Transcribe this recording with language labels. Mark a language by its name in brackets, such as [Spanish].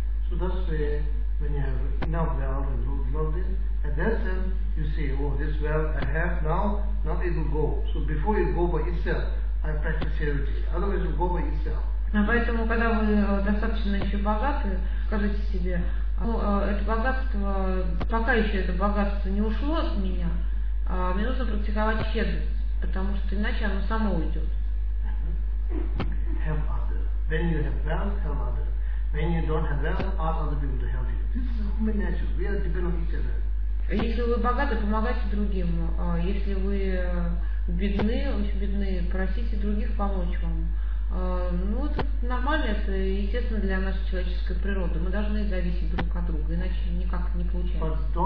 [English] So that's where, when you have enough wealth and love it, and then you say, oh, this wealth I have now, now it will go. So before you go by itself, I practice charity. Otherwise, you go by itself. [Russian] Поэтому, когда вы достаточно еще богаты, скажите себе, ну, это богатство, пока еще это богатство не ушло от меня, мне нужно практиковать щедрость, потому что иначе оно само уйдет. [English] Help others. When you have wealth, help others. When you don't have wealth, ask other people to help you. This is human nature. We are dependent on each other. [Russian] Если вы богаты, помогайте другим. Если вы бедны, очень бедны, просите других помочь вам. Ну, это нормально, это естественно для нашей человеческой природы. Мы должны зависеть друг от друга, иначе никак не получается.